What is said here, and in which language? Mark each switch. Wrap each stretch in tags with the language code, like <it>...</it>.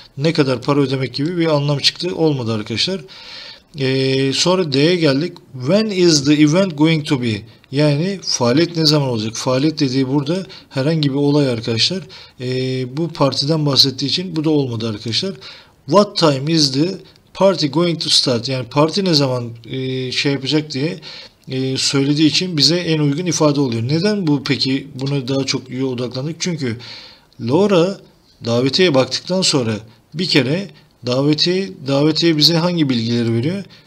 <tr>Ne kadar para ödemek gibi bir anlam çıktı, olmadı arkadaşlar. Sonra D'ye geldik.</tr> <en>When is the event going to be?</en> <tr>Yani faaliyet ne zaman olacak? Faaliyet dediği burada herhangi bir olay arkadaşlar. Bu partiden bahsettiği için bu da olmadı arkadaşlar.</tr> <en>What time is the party going to start?</en> <tr>Yani parti ne zaman şey yapacak diye söylediği için bize en uygun ifade oluyor. Neden bu peki, buna daha çok iyi odaklandık? Çünkü Laura davetiye baktıktan sonra bir kere davetiye bize hangi bilgileri veriyor?</tr>